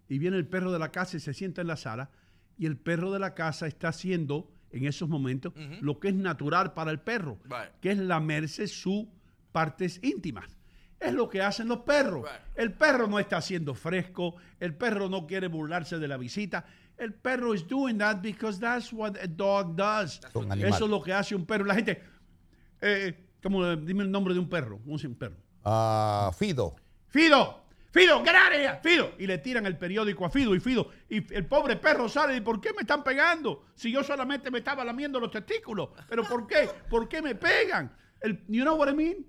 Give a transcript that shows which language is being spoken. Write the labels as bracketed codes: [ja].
[es] Y viene el perro de la casa y se sienta en la sala y el perro de la casa está haciendo... en esos momentos, uh-huh. Lo que es natural para el perro, [en] right. [es] Que es lamerse sus partes íntimas. Es lo que hacen los perros. [en] Right. [es] El perro no está haciendo fresco, el perro no quiere burlarse de la visita. El perro [en] is doing that because that's what a dog does. [es] Eso es lo que hace un perro. La gente, ¿cómo, dime el nombre de un perro? ¿Cómo se llama un perro? Fido. [en] ¡Fido! ¡Fido, get out of here! ¡Fido! [es] Y le tiran el periódico a Fido y Fido. Y el pobre perro sale y dice, ¿por qué me están pegando? Si yo solamente me estaba lamiendo los testículos. ¿Pero por qué? ¿Por qué me pegan? El, [en] you know what I mean?